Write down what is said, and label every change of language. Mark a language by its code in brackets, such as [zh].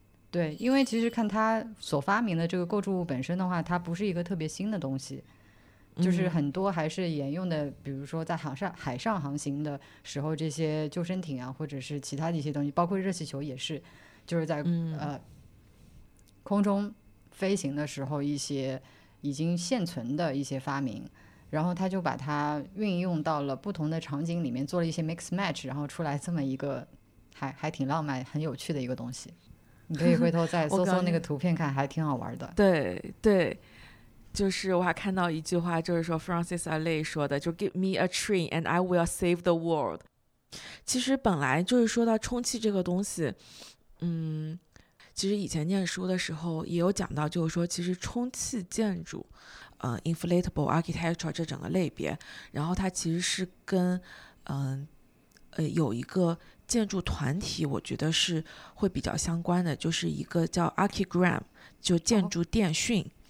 [zh] 对，因为其实看他所发明的这个构筑物本身的话，它不是一个特别新的东西，就是很多还是沿用的，比如说在海上航行的时候这些救生艇啊，或者是其他的一些东西，包括热气球也是，就是在空中飞行的时候一些已经现存的一些发明，然后他就把它运用到了不同的场景里面，做了一些 [en] mix match， [zh] 然后出来这么一个还挺浪漫很有趣的一个东西。你可以回头再搜搜那个图片看，还挺好玩的。对对，就是我还看到一句话，就是说 Francis Alley 说的，就 [en] Give me a train and I will save the world。 [zh] 其实本来就是说到充气这个东西，其实以前念书的时候也有讲到，就是说其实充气建筑inflatable architecture 这整个类别，然后它其实是跟有一个建筑团体我觉得是会比较相关的，就是一个叫 Archigram， 就建筑电讯。